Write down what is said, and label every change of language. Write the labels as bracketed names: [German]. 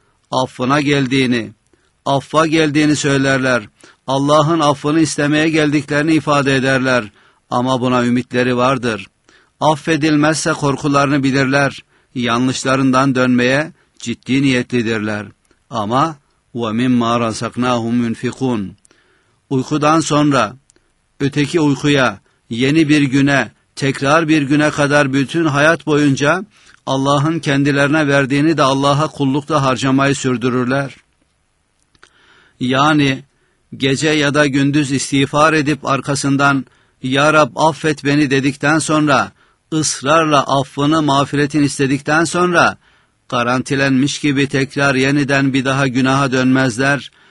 [Turkish] Affına geldiğini, affa geldiğini söylerler. Allah'ın affını istemeye geldiklerini ifade ederler. Ama buna ümitleri vardır. Affedilmezse korkularını bilirler. Yanlışlarından dönmeye ciddi niyetlidirler. [Arabic] Ama وَمِمَّا رَزَقْنَاهُمْ يُنْفِقُونَ. [Turkish] Uykudan sonra, öteki uykuya, yeni bir güne, tekrar bir güne kadar bütün hayat boyunca Allah'ın kendilerine verdiğini de Allah'a kullukta harcamayı sürdürürler. Yani gece ya da gündüz istiğfar edip arkasından Ya Rab affet beni dedikten sonra, ısrarla affını, mağfiretini istedikten sonra garantilenmiş gibi tekrar yeniden bir daha günaha dönmezler.